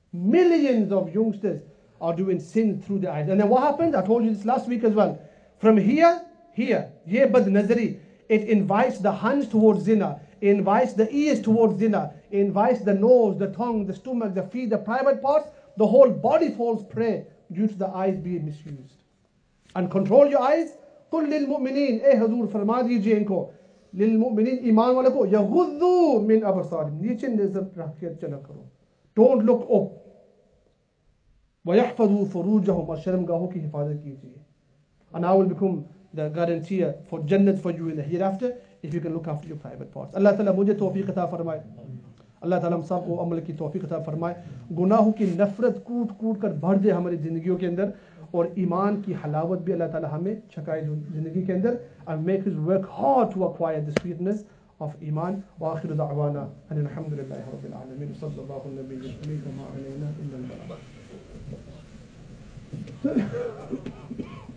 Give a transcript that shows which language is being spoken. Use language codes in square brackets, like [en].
[en] Millions of youngsters are doing sin through their eyes. And then what happens? I told you this last week as well. From here, bad nazari, it invites the hands towards zina, invites the ears towards zina, invites the nose, the tongue, the stomach, the feet, the private parts, the whole body falls prey due to the eyes being misused. And control your eyes. [ar] قُلْ لِلْمُؤْمِنِينَ [ur] اے حضور فرما دیجئے ان کو [ar] لِلْمُؤْمِنِينَ [ur] ایمان والے کو [ar] يَغُذُّ مِنْ أَبْصَارِهِمْ [ur] نیچے نظر رکھ کے چلا کرو. [en] Don't look up. [ar] وَيَحْفَظُوا فُرُوجَهُمْ [ur] شرمگاہوں کی حفاظت کیجئے. [en] And I will become the guarantee for jannat for you in the hereafter if you can look after your private parts. [ur] اللہ تعالیٰ مجھے توفیق عطا فرمائے. اللہ تعالیٰ ہم سب کو عمل کی توفیق عطا فرمائے. گناہوں کی نفرت کوٹ کوٹ کر بھر دے ہماری زندگیوں کے اندر, اور ایمان کی حلاوت بھی اللہ تعالیٰ ہمیں چھکائے زندگی کے اندر. [en] And make us work hard to acquire the sweetness of iman. [ar] وآخر دعوانا ان الحمد لله رب العالمين صلى الله النبي الامين وما علينا الا البلاغ.